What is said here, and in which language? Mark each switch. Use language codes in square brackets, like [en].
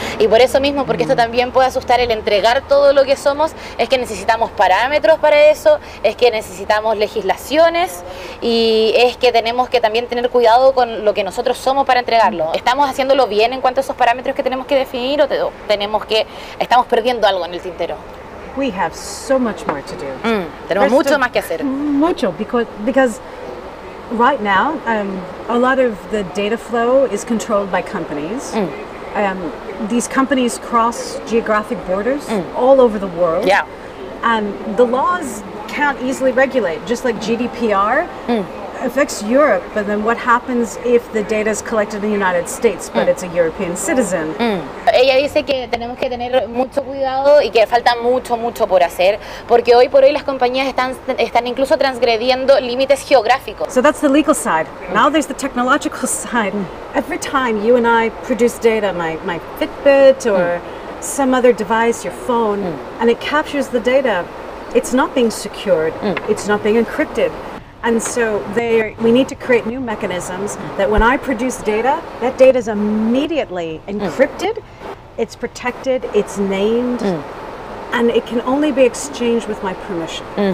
[es] Y por eso mismo, porque esto también puede asustar el entregar todo lo que somos, es que necesitamos parámetros para eso, es que necesitamos legislaciones, y es que tenemos que también tener cuidado con lo que nosotros somos para entregarlo. ¿Estamos haciéndolo bien en cuanto a esos parámetros que tenemos que definir, o estamos perdiendo algo en el tintero? [en] We have so much more to do. [es] Tenemos mucho más que hacer. Mucho, [en] because right now, a lot of the data flow is controlled by companies. These companies cross geographic borders all over the world. Yeah. And the laws can't easily regulate, just like GDPR affects Europe, but then what happens if the data is collected in the United States, but it's a European citizen? [es] Ella dice que tenemos que tener mucho cuidado y que falta mucho, mucho por hacer, porque hoy por hoy las compañías están incluso transgrediendo límites geográficos. [en] So that's the legal side. Now there's the technological side. Every time you and I produce data, my Fitbit or some other device, your phone, and it captures the data, it's not being secured, it's not being encrypted. And so we need to create new mechanisms that when I produce data, that data is immediately encrypted, it's protected, it's named, and it can only be exchanged with my permission.